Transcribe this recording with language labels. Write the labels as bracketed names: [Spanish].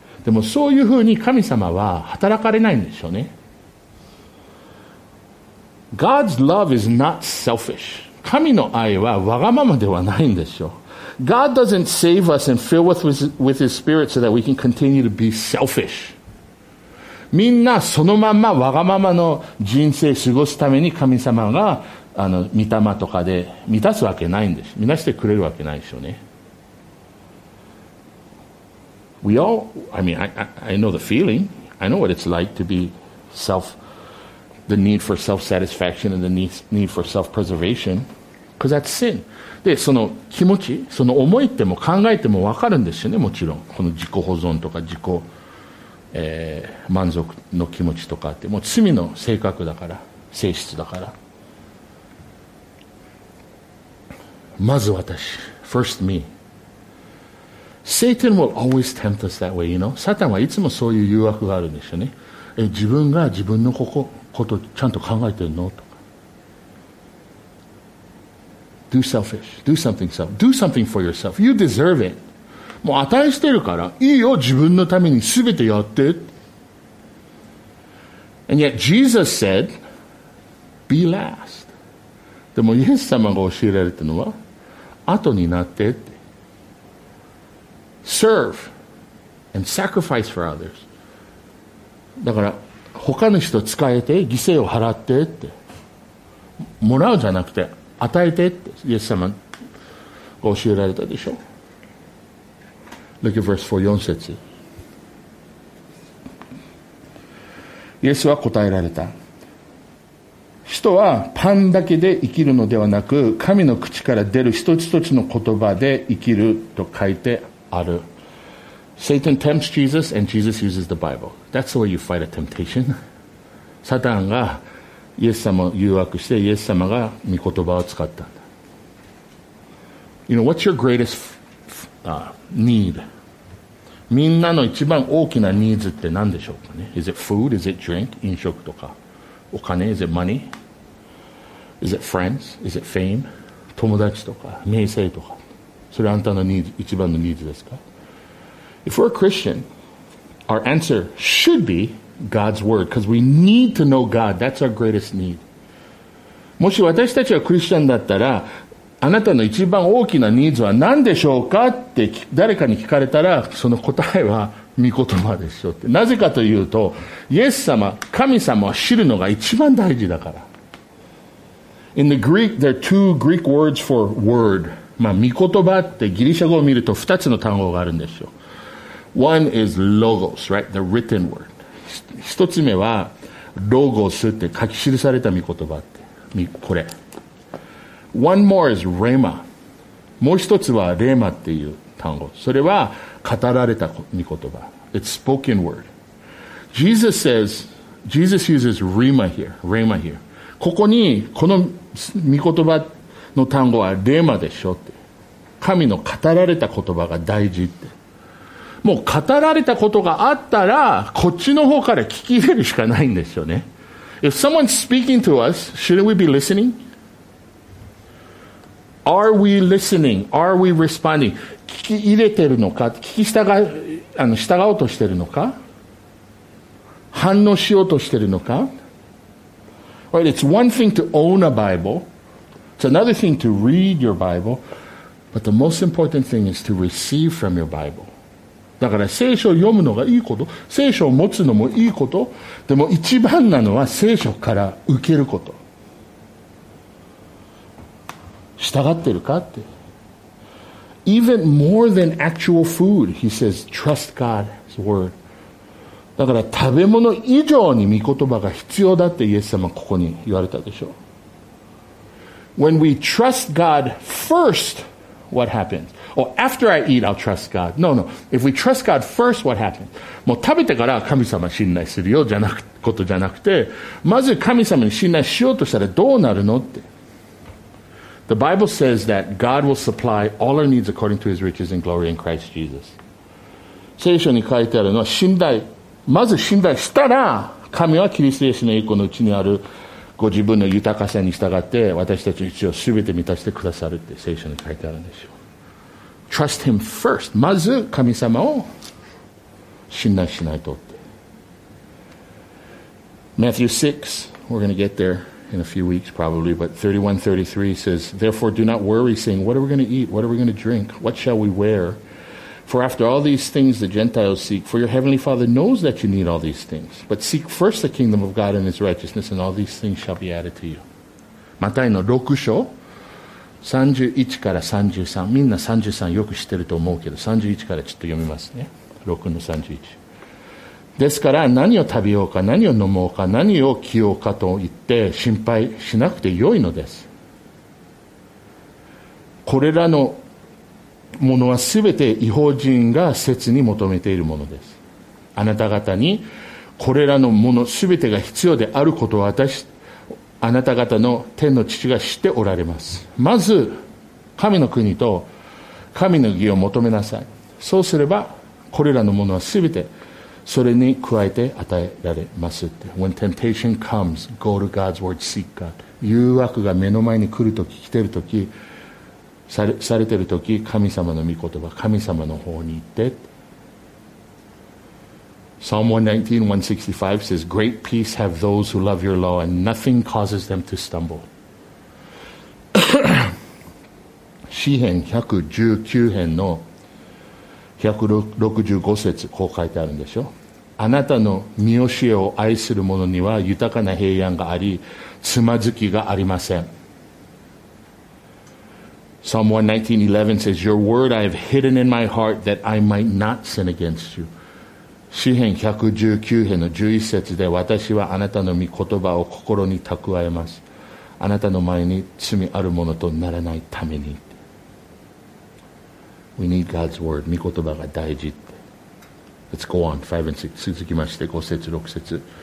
[Japanese] でもそういうふうに神様は働かれないんでしょうね。 [English] God's love is not selfish. [Japanese] 神の愛はわがままではないんですよ。 [English] God doesn't save us and fill us with His Spirit so that we can continue to be selfish. [Japanese] みんなそのままわがままの人生過ごすために神様が御霊とかで満たすわけないんです。満たしてくれるわけないでしょうね。 [English] We all, I mean, I know the feeling. I know what it's like to be selfish. The need for self-satisfaction and the need for self-preservation. Because that's sin. [Japanese] で、その気持ち、その思いっても考えても分かるんですよね、もちろん。この自己保存とか自己、満足の気持ちとかって、もう罪の性格だから、性質だから。まず私。 [English] First me. Satan will always tempt us that way, you know? [Japanese] サタンはいつもそういう誘惑があるんですよね。自分が自分のここ。ことちゃんと考えてるのとか。 [English] Do selfish. Do something self. Do something for yourself. You deserve it. [Japanese] もう値してるから、いいよ、自分のために全てやって。 [English] And yet Jesus said, be last. [Japanese] でもイエス様が教えられてるのは、後になってって。 [English] Serve and sacrifice for others. [Japanese] だから、他の人使えて犠牲を払ってってもらうじゃなくて与えてってイエス様が教えられたでしょ。 [English] Look at verse 4, [Japanese] 4節。イエスは答えられた。人はパンだけで生きるのではなく神の口から出る一つ一つの言葉で生きると書いてある。 [English] Satan tempts Jesus and Jesus uses the Bible. That's the way you fight a temptation. [Japanese] サタンがイエス様を誘惑してイエス様が御言葉を使ったんだ。 [English] You know, what's your greatest need? [Japanese] みんなの一番大きなニーズって何でしょうかね? [English] Is it food? Is it drink? [Japanese] 飲食とか。お金? [English] Is it money? Is it friends? Is it fame? [Japanese] 友達とか名声とか。それあんたのニーズ、一番のニーズですか? [English] If we're a Christian, our answer should be God's word, because we need to know God. That's our greatest need. [Japanese] もし私たちはクリスチャンだったら、あなたの一番大きなニーズは何でしょうかって誰かに聞かれたら、その答えは御言葉でしょって。なぜかというと、イエス様、神様を知るのが一番大事だから。 [English] In the Greek, there are two Greek words for word. [Japanese] まあ、御言葉ってギリシャ語を見ると二つの単語があるんですよ。 [English] One is logos, right? The written word. [Japanese] 一つ目は、logos って書き記された御言葉って。これ。 [English] One more is rhema. [Japanese] もう一つは、rhema っていう単語。それは、語られた御言葉。 [English] It's spoken word. Jesus says, Jesus uses rhema here. Rhema here. [Japanese] ここに、この御言葉の単語は rhema でしょって。神の語られた言葉が大事って。もう語られたことがあったら、こっちの方から聞き入れるしかないんですよね。 [English] If someone's speaking to us, shouldn't we be listening? Are we listening? Are we responding? [Japanese] 聞き入れてるのか、聞き従おうとしてるのか、反応しようとしてるのか。 [English] Right, it's one thing to own a Bible. It's another thing to read your Bible. But the most important thing is to receive from your Bible. [Japanese] だから聖書を読むのがいいこと、聖書を持つのもいいこと、でも一番なのは聖書から受けること。従ってるかって。 [English] Even more than actual food, he says, trust God's word. [Japanese] だから食べ物以上に御言葉が必要だってイエス様ここに言われたでしょう。 [English] When we trust God first, what happens? Or after I eat, I'll trust God. No, no. If we trust God first, what happens? [Japanese] もう食べてから神様信頼するよ、じゃなく、ことじゃなくて、まず神様に信頼しようとしたらどうなるのって。 [English] The Bible says that God will supply all our needs according to his riches and glory in Christ Jesus. [Japanese] 聖書に書いてあるのは信頼。まず信頼したら、神はキリストイエスの栄光のうちにあるご自分の豊かさに従って私たちの必要を全て満たしてくださるって聖書に書いてあるんですよ。 [English] Trust him first. [Japanese] まず神様を信頼しないとって。 [English] Matthew 6, we're going to get there in a few weeks probably, but 31:33 says, Therefore do not worry, saying, What are we going to eat? What are we going to drink? What shall we wear? For after all these things the Gentiles seek, for your heavenly Father knows that you need all these things. But seek first the kingdom of God and his righteousness, and all these things shall be added to you. [Japanese] マタイの6章、31から33。みんな33よく知ってると思うけど、31からちょっと読みますね。 6の31。ですから何を食べようか、何を飲もうか、何を着ようかと言って心配しなくてよいのです。これらのものはすべて異邦人が切に求めているものです。あなた方にこれらのものすべてが必要であることを私あなた方の天の父が知っておられます。まず神の国と神の義を求めなさい。そうすればこれらのものはすべてそれに加えて与えられますって。 [English] When temptation comes, go to God's word, seek God. [Japanese] 誘惑が目の前に来るとき、来てるとき、されてるとき、神様の御言葉、神様の方に行って。 [English] Psalm 119:165 says, Great peace have those who love your law, and nothing causes them to stumble. [Japanese] 詩編119編の165節、こう書いてあるんでしょ。あなたの御教えを愛する者には豊かな平安があり、つまずきがありません。 [English] Psalm 119:11 says, Your word I have hidden in my heart that I might not sin against you. [Japanese] 詩編119編の11節で、私はあなたの御言葉を心に蓄えます。あなたの前に罪あるものとならないために。 [English] We need God's word. [Japanese] 御言葉が大事って。 [English] Let's go on. 5 and 6. [Japanese] 続きまして5節6節。